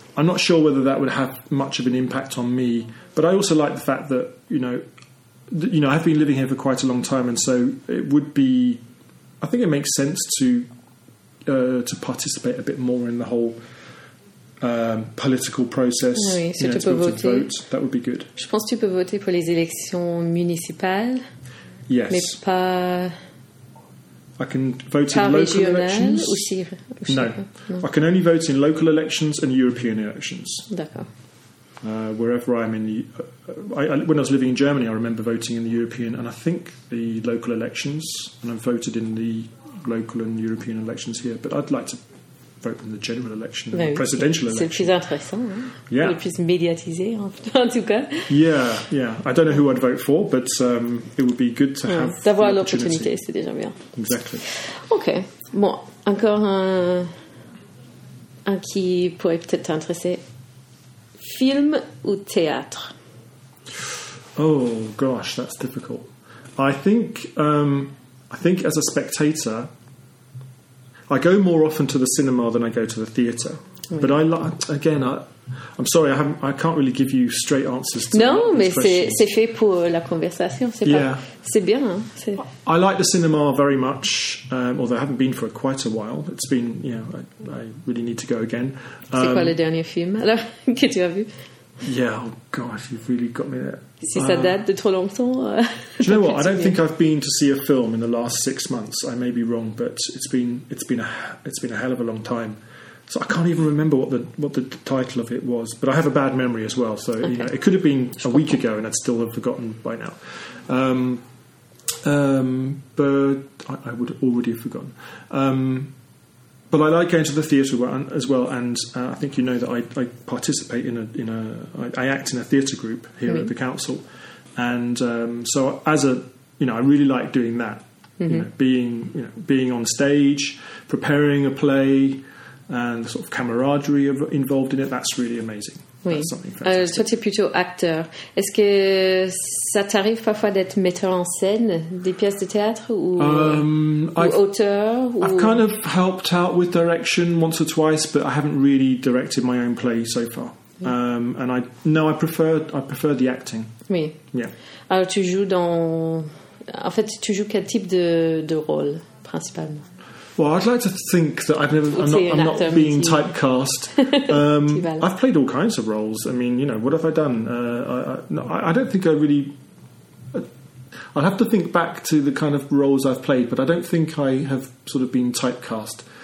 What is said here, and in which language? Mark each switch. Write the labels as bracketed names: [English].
[English] I'm not sure whether that would have much of an impact on me, but I also like the fact that, you know, I've been living here for quite a long time, and so it would be, I think it makes sense to participate a bit more in the whole political process. [French] Oui, [English] you know, to be able to vote, that would be good. [French] Je pense que tu peux voter pour les élections municipales. [English] Yes. [French] Mais pas... [English] I can vote in local elections. [French] Aussi, [English] no. I can only vote in local elections and European elections. [French] D'accord. [English] Wherever I'm in the... when I was living in Germany, I remember voting in the European and I think the local elections. And I've voted in the local and European elections here. But I'd like to vote in the general election, and the presidential [French] c'est [English] election. [French] C'est le plus intéressant. Hein? Yeah. Le plus médiatisé, en tout cas. [English] Yeah, yeah. I don't know who I'd vote for, but it would be good to have [French] d'avoir l'opportunité, c'est déjà bien. [English] Exactly. OK. [French] Bon, encore un qui pourrait peut-être t'intéresser. Film ou théâtre? [English] Oh, gosh, that's difficult. I think as a spectator... I go more often to the cinema than I go to the theatre. [French] Oui. [English] But I can't really give you straight answers to [French] No, mais c'est fait pour la conversation. C'est, [English] yeah. [French] pas, c'est bien. Hein? C'est... [English] I like the cinema very much, although I haven't been for quite a while. It's been, you know, I really need to go again. [French] C'est quoi le dernier film alors, que tu as vu? [English] Yeah, oh gosh, you've really got me there. [French] Si ça date de trop longtemps. [English] Do you know what? I don't think I've been to see a film in the last 6 months. I may be wrong, but it's been a hell of a long time. So I can't even remember what the title of it was. But I have a bad memory as well. So okay. You know, it could have been a week ago, and I'd still have forgotten by now. But I would already have forgotten. But I like going to the theatre as well, and I think you know that I participate I act in a theatre group here at the council, and so as a you know I really like doing that, being on stage, preparing a play, and the sort of camaraderie involved in it. That's really amazing. [French] Oui. Toi, tu es plutôt acteur. Est-ce que ça t'arrive parfois d'être metteur en scène des pièces de théâtre ou, auteur ou... [English] I've kind of helped out with direction once or twice, but I haven't really directed my own play so far. And I prefer the acting. [French] Oui. [English] Yeah. [French] Alors, tu joues En fait, tu joues quel type de rôle, principalement? [English] Well, I'd like to think that I'm not being typecast. I've played all kinds of roles. I mean, you know, what have I done? I'd have to think back to the kind of roles I've played, but I don't think I have sort of been typecast.